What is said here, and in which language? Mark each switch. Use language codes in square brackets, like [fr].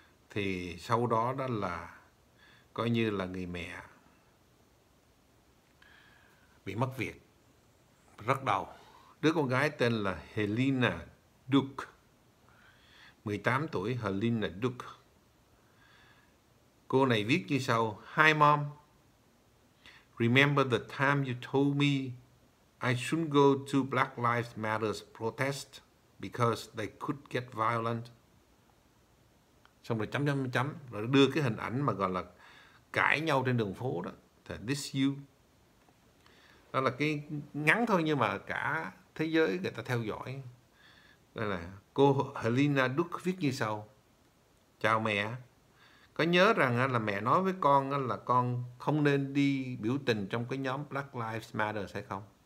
[vi] Thì sau đó đó là coi như là người mẹ bị mất việc, rất đau. Đứa con gái tên là Helena Duke, 18 tuổi, Helena Duke. Cô này viết như sau: [en] Hi mom, remember the time you told me I shouldn't go to Black Lives Matter protest because they could get violent. [vi] Xong rồi chấm chấm chấm, rồi đưa cái hình ảnh mà gọi là cãi nhau trên đường phố đó, thì [en] this you. [vi] Đó là cái ngắn thôi, nhưng mà cả thế giới người ta theo dõi. Đây là cô Helena Duke viết như sau: Chào mẹ, có nhớ rằng là mẹ nói với con là con không nên đi biểu tình trong cái nhóm Black Lives Matter hay không?